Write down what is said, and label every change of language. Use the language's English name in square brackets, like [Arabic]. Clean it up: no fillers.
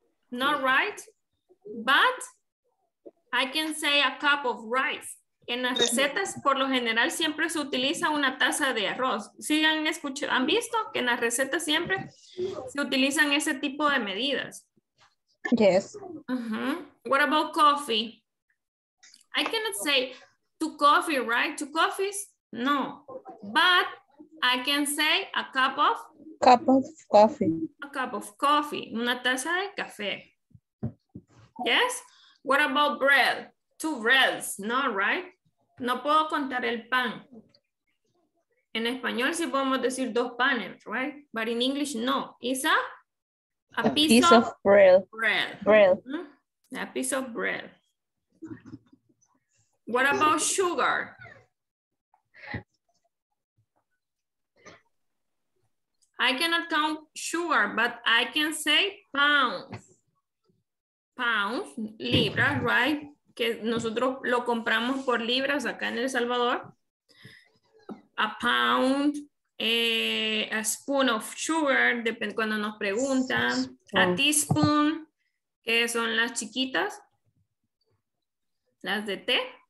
[English] Not right, but I can say a cup of rice. [Spanish] En las recetas, por lo general, siempre se utiliza una taza de arroz. ¿Sí han escuchado, han visto que en las recetas siempre se utilizan ese tipo de medidas? [English] Yes. Uh-huh. What about coffee? I cannot say two coffee, right? Two coffees? No, but I can say a cup of? Cup of coffee. A cup of coffee. [Spanish] Una taza de café. [English] Yes? What about bread? 2 breads. No, right? [Spanish] No puedo contar el pan. En español sí podemos decir 2 panes, [English] right? But in English, no. It's a piece of bread. Bread. Bread. Mm-hmm. A piece of bread. What about sugar? I cannot count sugar, but I can say pounds. Pounds, libras, right? [Spanish] Que nosotros lo compramos por libras acá en El Salvador. [English] A pound, a spoon of sugar, [Spanish] depende cuando nos preguntan. [English] A teaspoon, [Spanish] que son las chiquitas, las de té.